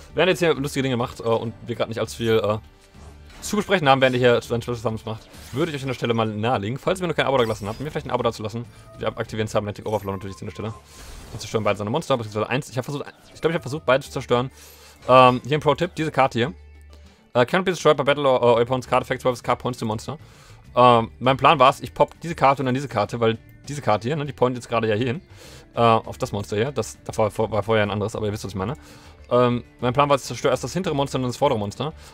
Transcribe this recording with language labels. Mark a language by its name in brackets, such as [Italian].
[German] Während er jetzt hier lustige Dinge macht und wir gerade nicht allzu viel zu besprechen haben, während ihr hier dann Special Summons macht, würde ich euch an der Stelle mal nahelegen, falls ihr mir noch kein Abo da gelassen habt, mir vielleicht ein Abo da zu lassen. Wir aktivieren Cybernetic Overflow natürlich an der Stelle. Und zerstören beide seine Monster, beziehungsweise eins. Ich glaube, ich habe versucht, beide zu zerstören. Hier ein Pro-Tipp, diese Karte hier. [English] Cannot be destroyed by battle or opponent's card effects, while this card points to monster. [German] Mein Plan war es, ich poppe diese Karte und dann diese Karte, weil diese Karte hier, ne, die pointet jetzt gerade ja hier hin. Auf das Monster hier. Das davor war vorher ein anderes, aber ihr wisst, was ich meine. Mein Plan war es, ich zerstöre erst das hintere Monster und dann das vordere Monster.